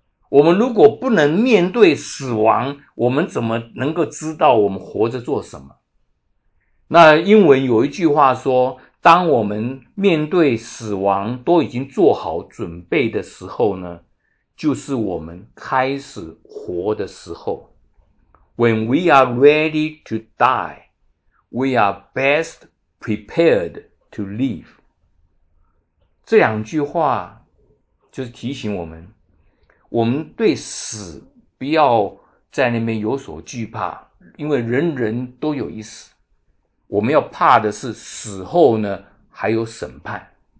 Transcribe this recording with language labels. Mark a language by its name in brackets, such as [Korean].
[Chinese] 我们如果不能面对死亡，我们怎么能够知道我们活着做什么？那英文有一句话说，当我们面对死亡都已经做好准备的时候呢，就是我们开始活的时候。 [English] When we are ready to die, we are best prepared to live。 [Chinese] 这两句话就是提醒我们，我们对死不要在那边有所惧怕，因为人人都有一死，我们要怕的是死后呢还有审判。